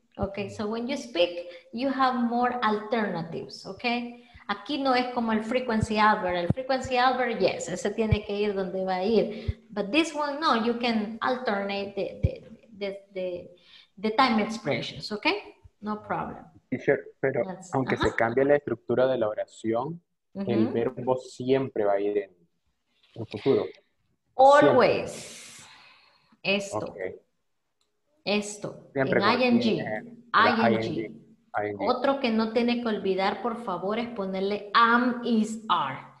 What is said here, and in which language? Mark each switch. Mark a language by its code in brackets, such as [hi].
[en] Okay, so when you speak, you have more alternatives, okay? [es] Aquí no es como el frequency adverb. El frequency adverb, [en] yes, [es] ese tiene que ir donde va a ir. [en] But this one, no, you can alternate the time expressions, okay? No problem. Teacher, [es] pero [en] yes. [es] Aunque uh-huh. se cambie la estructura de la oración, uh-huh. el verbo siempre va a ir en el futuro. [en] Always. [es] Siempre. Esto. Okay. Esto. Siempre en ING. ING. Otro que no tiene que olvidar, por favor, es ponerle am, is, are.